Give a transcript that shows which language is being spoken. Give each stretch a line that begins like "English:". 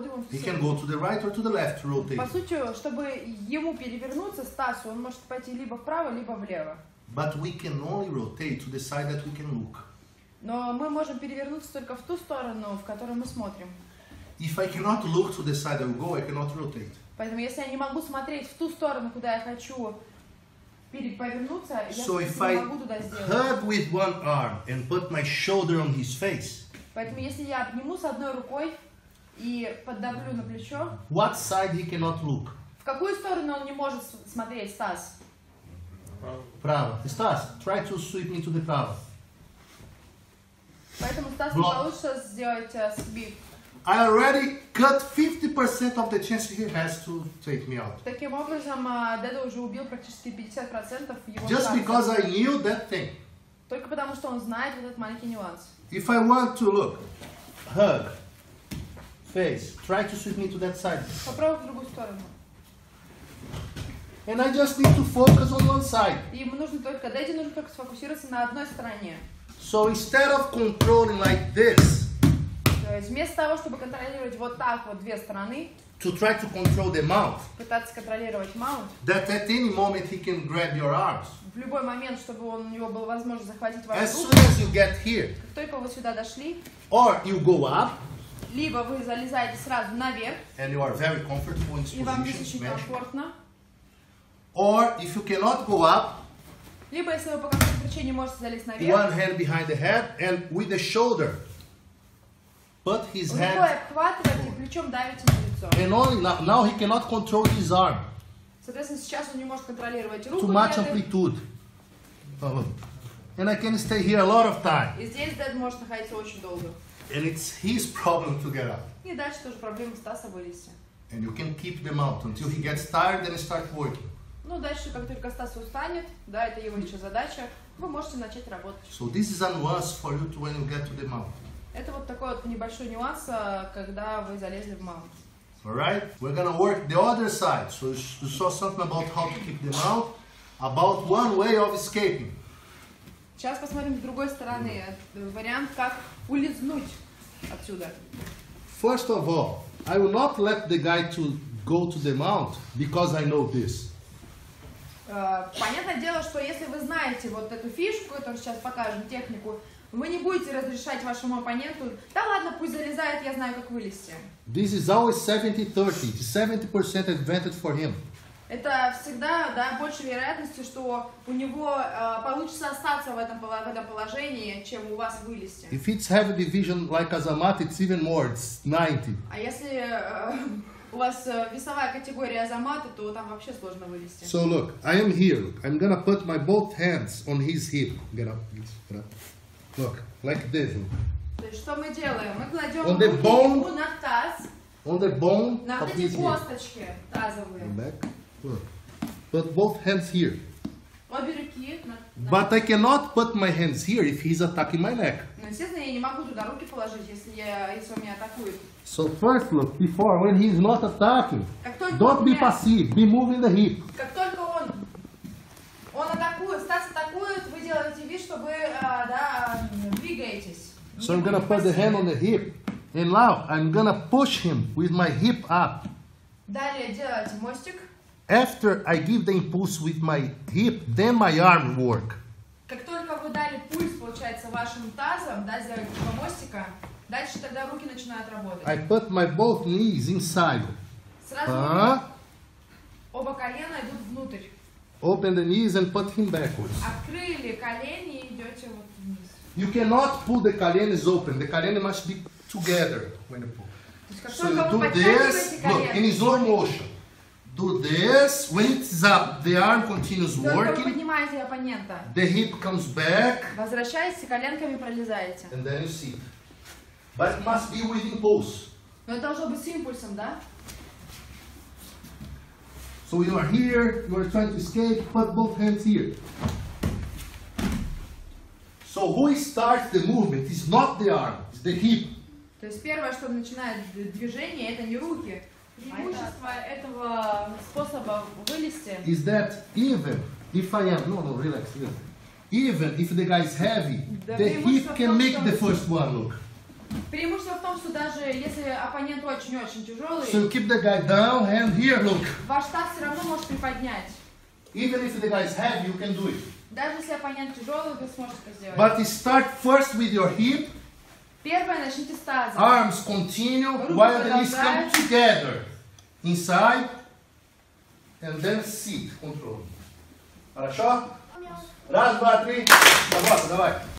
English: He can go to the right or to the left to rotate.
Russian: По сути, чтобы ему перевернуться, Стасу, он может пойти либо вправо, либо влево.
English: But we can only rotate to the side that we can look.
Russian: Но мы можем перевернуться только в ту сторону, в которую мы смотрим.
English: If I cannot look to the side I go, I cannot rotate.
Russian: Поэтому если я не могу смотреть в ту сторону, куда я хочу перевернуться,
English: so
Russian: я не могу туда сделать.
English: Hug with one arm and put my shoulder on his face.
Russian: Поэтому если я обниму с одной рукой и поддавлю на плечо.
English: What side he cannot look?
Russian: В какую сторону он не может смотреть, Стас?
English: Право. Стас, try to sweep me to the право.
Russian: Поэтому Стас не получится сделать сбив.
English: I already cut 50% of the chance he has to take me out.
Russian: Таким образом, Деда уже убил практически 50% его шансов.
English: Just because I knew that thing.
Russian: Только потому, что он знает этот маленький нюанс.
English: If I want to look, hug, face, try to sweep me to that side.
Russian: Попробуй в другую сторону.
English: And I just need to focus on one side.
Russian: И ему нужно только, Деде нужно только сфокусироваться на одной стороне.
English: So instead of controlling like this,
Russian: то есть вместо того, чтобы контролировать вот так вот две стороны,
English: to try to control the mouth,
Russian: пытаться контролировать mouth,
English: that at any moment he can grab your arms,
Russian: в любой момент, чтобы он, у него была возможность захватить ваши
English: as
Russian: руки,
English: soon as you get here,
Russian: как только вы сюда дошли,
English: or you go up,
Russian: либо вы залезаете сразу наверх,
English: and you are very comfortable in this
Russian: position, и вам здесь очень комфортно,
English: or if you cannot go up,
Russian: либо если вы по какой-то причине не можете залезть наверх,
English: one hand behind the head and with the shoulder. But his head.
Russian: Вы обхватываете плечом, давите на лицо.
English: And only now he cannot control his arm.
Russian: Соответственно, сейчас он не может контролировать руку.
English: Too much amplitude. And I can stay here a lot of time.
Russian: И здесь Дед может находиться очень долго.
English: And it's his problem to get up.
Russian: И дальше тоже проблема Стаса вылезти.
English: And you can keep them out until he gets tired and start working.
Russian: Ну дальше, как только Стас устанет, да, это его еще задача, вы можете начать работать.
English: So this is a nuance for you to when you get to the mount.
Russian: Это вот такой вот небольшой нюанс, когда вы залезли в маунт.
English: Alright, we're gonna work the other side. So you saw something about how to keep them out, about one way of escaping.
Russian: Сейчас посмотрим с другой стороны вариант, как улизнуть отсюда.
English: First of all, I will not let the guy to go to the mount because I know this.
Russian: Понятное дело, что если вы знаете вот эту фишку, которую сейчас покажем, технику, вы не будете разрешать вашему оппоненту, да ладно, пусть залезает, я знаю, как вылезти.
English: This is always 70-30, 70% advantage for him.
Russian: Это всегда, да, больше вероятности, что у него получится остаться в этом положении, чем у вас вылезти.
English: If it's heavy division like Azamat, it's even more, it's 90.
Russian: А если у вас весовая категория Азамата, то там вообще сложно вылезти.
English: So look, I am here, look, I'm gonna put my both hands on his hip. Get up, please, get up. Look, like this.
Russian: То есть что мы делаем? Мы кладем руку на таз.
English: On the bone.
Russian: На вот эти косточки тазовые.
English: And back. Look. Put both hands here.
Russian: Обе руки на.
English: But I cannot put my hands here if he's attacking my neck.
Russian: Ну, естественно, я не могу туда руки положить, если он меня атакует.
English: So first look before when he's not attacking. Don't be passive. Be moving the hip.
Russian: Как только он. Он атакует, Стас атакует, вы делаете вид, что вы, двигаетесь.
English: So I'm gonna put the hand on the hip, and now I'm gonna push him with my hip up.
Russian: Далее делаете мостик.
English: After I give the impulse with my hip, then my arm will work.
Russian: Как только вы дали пульс, получается, вашим тазом, да, сделали два мостика, дальше тогда руки начинают работать.
English: I put my both knees inside.
Russian: Сразу оба колена идут внутрь.
English: Open the knees and put him backwards.
Russian: Открыли колени и идете вот вниз.
English: You cannot pull the коленes open. The колени must be together when you pull. So you do this, look, in slow motion. Do this, when it's up, the arm continues working.
Russian: Поднимаете оппонента.
English: The hip comes back.
Russian: Возвращаетесь, коленками пролезаете.
English: And then you sit. But it must be with impulse.
Russian: Но это должно быть с импульсом, да?
English: So you are here, you are trying to escape, put both hands here. So who starts the movement is not the arm, it's the hip.
Russian: То есть первое, что начинает движение, это не руки. Преимущество этого способа вылезти.
English: Is that even if I am, no, relax, relax. Even if the guy is heavy, the hip can make the first one look.
Russian: Преимущество в том, что даже если оппонент очень-очень тяжелый,
English: so keep the guy down, hand here, look.
Russian: Ваш таз все равно может приподнять.
English: Even if the guy is heavy, you can do it.
Russian: Даже если оппонент тяжелый, вы сможете это сделать.
English: But start first with your hip.
Russian: Первое, начните с таза.
English: Arms continue, while the knees come together. Inside. And then sit, control.
Russian: Хорошо? Раз, два, три. Работа, давай.